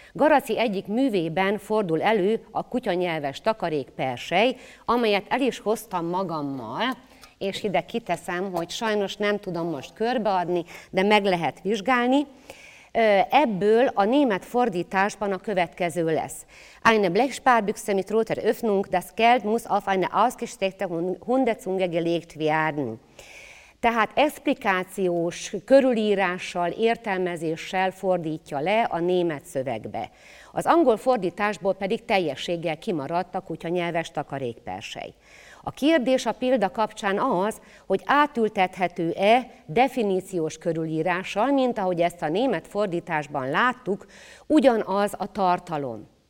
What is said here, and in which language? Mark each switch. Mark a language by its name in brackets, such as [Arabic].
[Hungarian] Garaci egyik művében fordul elő a kutyanyelves takarék persely, amelyet el is hoztam magammal, és ide kiteszem, hogy sajnos nem tudom most körbeadni, de meg lehet vizsgálni. Ebből a német fordításban a következő lesz. [German] Eine Blechsparbüchse mit roter Öffnung, das Geld muss auf eine ausgestreckte Hundezunge gelegt werden. [Hungarian] Tehát explikációs körülírással, értelmezéssel fordítja le a német szövegbe. Az angol fordításból pedig teljességgel kimaradt a kutyanyelves takarékpersely. A kérdés a példa kapcsán az, hogy átültethető-e definíciós körülírással, mint ahogy ezt a német fordításban láttuk, ugyanaz a tartalom.